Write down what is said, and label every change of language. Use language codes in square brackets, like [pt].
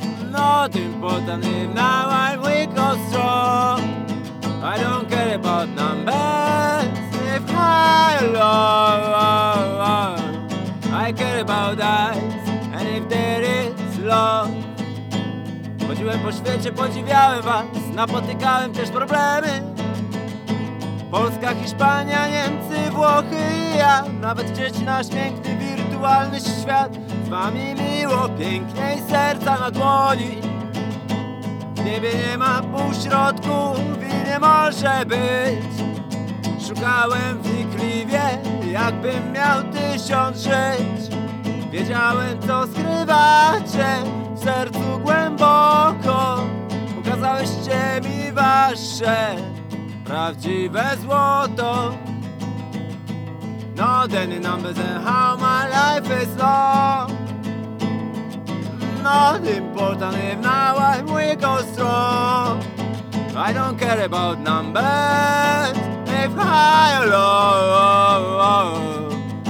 [en] Not important if now I'm weak or strong. I don't care about numbers, if high or low, low, low. I care about eyes, and if there is love. [pl] Chodziłem po świecie, podziwiałem was, napotykałem też problemy. Polska, Hiszpania, Niemcy, Włochy i ja. Nawet gdzieś nasz piękny, wirtualny świat. Z wami miło, piękniej serca na dłoni. W niebie nie ma półśrodków i nie może być. Szukałem wnikliwie, jakbym miał tysiąc żyć. Wiedziałem, co skrywacie w sercu głęboko. Pokazałyście mi wasze prawdziwe złoto. [en] Not any numbers and how my life is long. Not important if now I'm weak or strong. I don't care about numbers, if high or low, oh, oh, oh.